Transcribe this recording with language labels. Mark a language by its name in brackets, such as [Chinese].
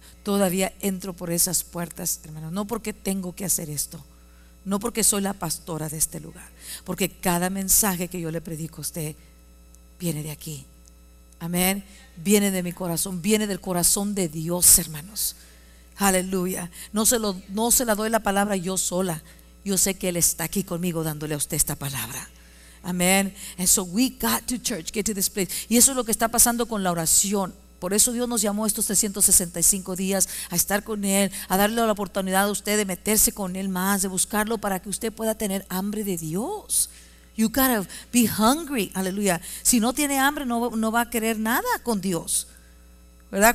[Spanish] Todavía entro por esas puertas, hermano, no porque tengo que hacer esto, no porque soy la pastora de este lugar, porque cada mensaje que yo le predico a usted viene de aquí. Amén. Viene de mi corazón, viene del corazón de Dios, hermanos. Aleluya. No se la doy la palabra yo sola. Yo sé que Él está aquí conmigo dándole a usted esta palabra. Amén. [English] And so we got to church, get to this place. [Spanish] Y eso es lo que está pasando con la oración. Por eso Dios nos llamó estos 365 días a estar con Él, a darle la oportunidad a usted de meterse con Él más, de buscarlo para que usted pueda tener hambre de Dios. [English] You gotta be hungry. [Spanish] Aleluya. Si no tiene hambre, no va a querer nada con Dios. ¿Verdad?